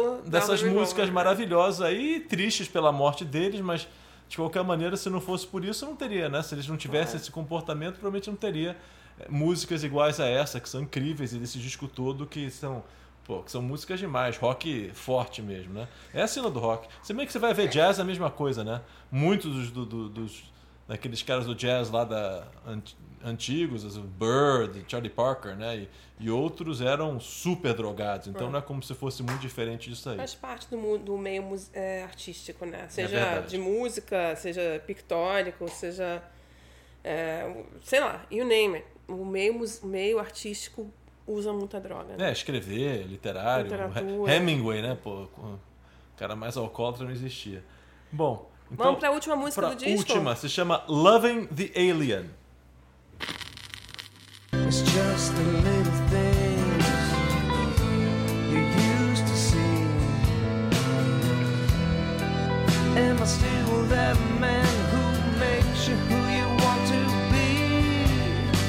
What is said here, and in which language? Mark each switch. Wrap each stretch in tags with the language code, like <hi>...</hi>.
<pt>dessas músicas maravilhosas aí, tristes pela morte deles, mas de qualquer maneira, se não fosse por isso, não teria, né? Se eles não tivessem esse comportamento, provavelmente não teria músicas iguais a essa, que são incríveis, e desse disco todo, que são, pô, que são músicas demais, rock forte mesmo, né? É a cena do rock. Se bem que você vai ver jazz, é a mesma coisa, né? Muitos dos daqueles caras do jazz lá da... antigos, as Bird, Charlie Parker, né? E outros eram super drogados. Então não é como se fosse muito diferente disso aí. Faz parte do meio artístico, né? Seja de música, seja pictórico, seja... sei lá,</pt> <en>you name it.</en> <pt>O meio artístico usa muita droga, né? É, escrever, literário. Literatura. Hemingway, né? Pô, o cara mais alcoólatra não existia. Bom, então... Vamos pra última música do disco? Última, se chama Loving the Alien.</pt> <en>It's just the little things you used to see. Am I still that man who makes you who you want to be?</en>